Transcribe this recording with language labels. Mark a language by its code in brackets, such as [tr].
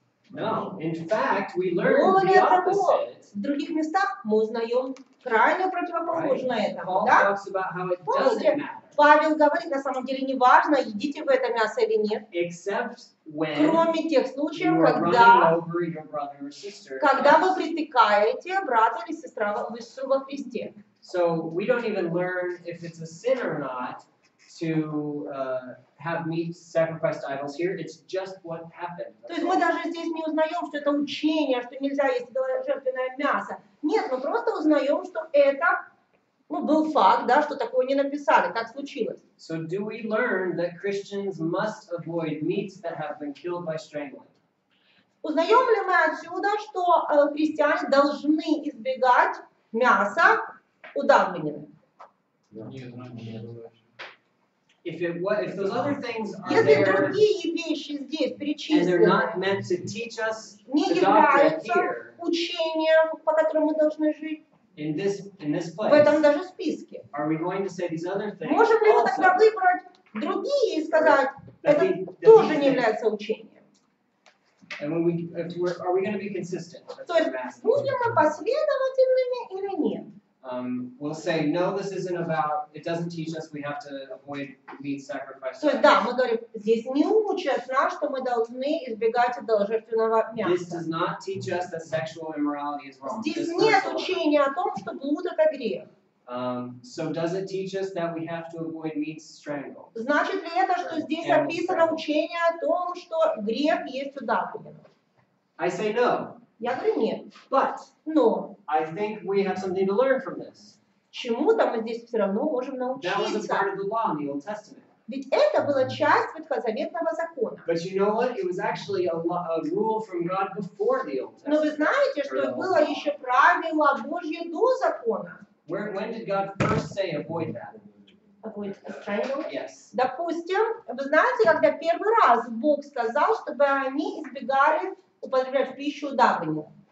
[en] No. In fact, we learn the opposite. [ru] Того, в других местах мы узнаем крайне противоположное [en] right. [ru] этому, [en] Paul [ru] да? [en] talks about how it [ru] Помните, [en] doesn't matter. [ru] Павел говорит, на самом деле, неважно, едите вы это мясо или нет. [en] Except when [ru] кроме тех случаев, [en] you [ru] когда, [en] over your brother or sister, [ru] когда [en] yes. [ru] вы притыкаете брата или сестра в Иисусе во Христе. [en] So we don't even learn if it's a sin or not to have meat sacrificed to idols here. It's just what happened. [ru] То есть мы даже здесь не узнаем, что это учение, что нельзя есть жертвенное мясо. Нет, мы просто узнаем, что это ну, был факт, да, что такое не написали, так случилось. [en] So do we learn that Christians must avoid meats that have been killed by strangling? [ru] Узнаем ли мы отсюда, что христиане должны избегать мяса удавленного? Нет, нет. [en] If those other things are [ru] если другие вещи здесь перечислены, [en] and they're not meant to teach us [ru] не являются учением, по которому мы должны жить, [en] In this place, [ru] в этом даже списке. [en] Are we going to say these other things? [ru] Можем ли мы тогда выбрать другие и сказать, это тоже не является учением? [en] And when are we going to be consistent? [ru] То есть будем мы последовательными или нет? [en] We'll say no. This isn't about. It doesn't teach us we have to avoid meat sacrifices. [ru] То есть да, мы говорим, здесь не учат нас, что мы должны избегать идоложертвенного мяса. [en] This does not teach us that sexual immorality is wrong. [ru] Здесь нет учения о том, что блуд это грех. [en] So does it teach us that we have to avoid meat strangle? [ru] Значит ли это, что здесь описано учение о том, что грех есть удавлено? [en] I say no. [ru] Я говорю нет. [en] But no. I think we have something to learn from this. [ru] Чему-то мы здесь все равно можем научиться. [en] That was a part of the law in the Old Testament. [ru] Ведь это была часть ветхозаветного закона. [en] But you know what? It was actually a rule from God before the Old Testament. [ru] Но вы знаете, что было еще правило Божье до закона. [en] When did God first say avoid that? Avoid a strangle? Yes. [ru] Допустим, вы знаете, когда первый раз Бог сказал, чтобы они избегали употреблять пищу удавленную.